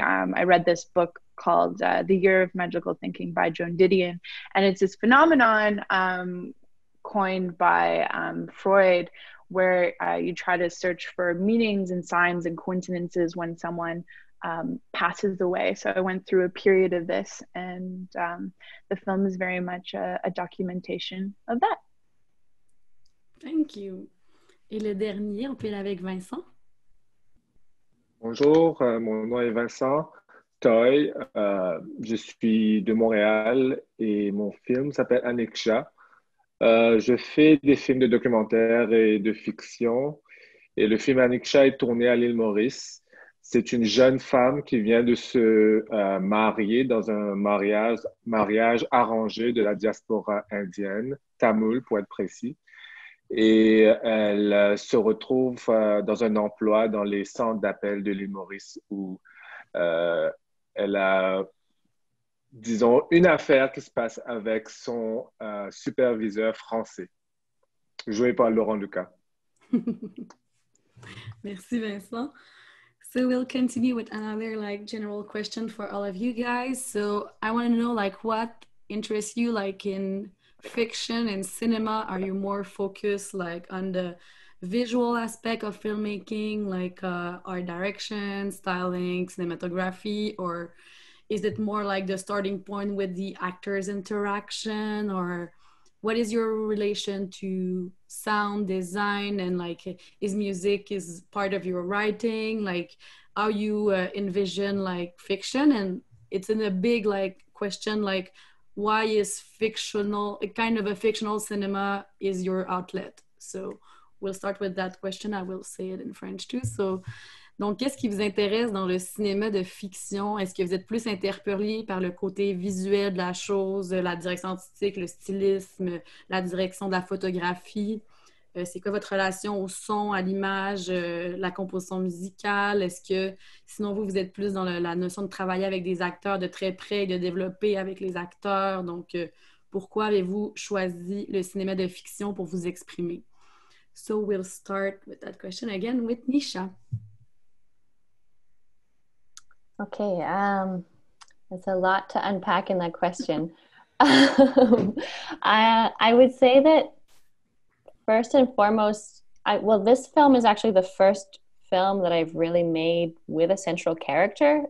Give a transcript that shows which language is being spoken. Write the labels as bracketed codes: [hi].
[en] I read this book called The Year of Magical Thinking by Joan Didion, and it's this phenomenon coined by Freud, where you try to search for meanings and signs and coincidences when someone passes away. So I went through a period of this, and the film is very much a documentation of that. Thank you. [fr] Et le dernier, on peut aller avec Vincent. Bonjour, mon nom est Vincent Toi. Je suis de Montréal et mon film s'appelle Aniksha. Je fais des films de documentaire et de fiction. Et le film Aniksha est tourné à l'île Maurice. C'est une jeune femme qui vient de se marier dans un mariage arrangé de la diaspora indienne, tamoul pour être précis. Et elle se retrouve dans un emploi dans les centres d'appel de l'île Maurice où elle a, disons, une affaire qui se passe avec son superviseur français, joué par Laurent Lucas. Merci, Vincent. [en] So we'll continue with another like general question for all of you guys. So I want to know like what interests you like in fiction and cinema. Are you more focused like on the visual aspect of filmmaking, like art direction, styling, cinematography, or is it more like the starting point with the actors' interaction, or what is your relation to sound design and like is music is part of your writing? Like how you envision like fiction? And it's in a big like question, like why is fictional, a kind of a fictional cinema is your outlet? So we'll start with that question. I will say it in French too. [fr] So, donc qu'est-ce qui vous intéresse dans le cinéma de fiction? Est-ce que vous êtes plus interpellé par le côté visuel de la chose, la direction artistique, le stylisme, la direction de la photographie? C'est quoi votre relation au son, à l'image, la composition musicale? Est-ce que, sinon vous, vous êtes plus dans la notion de travailler avec des acteurs de très près et de développer avec les acteurs? Donc, pourquoi avez-vous choisi le cinéma de fiction pour vous exprimer? [en] So we'll start with that question again with Nisha. Okay, that's a lot to unpack in that question. I would say that first and foremost, this film is actually the first film that I've really made with a central character.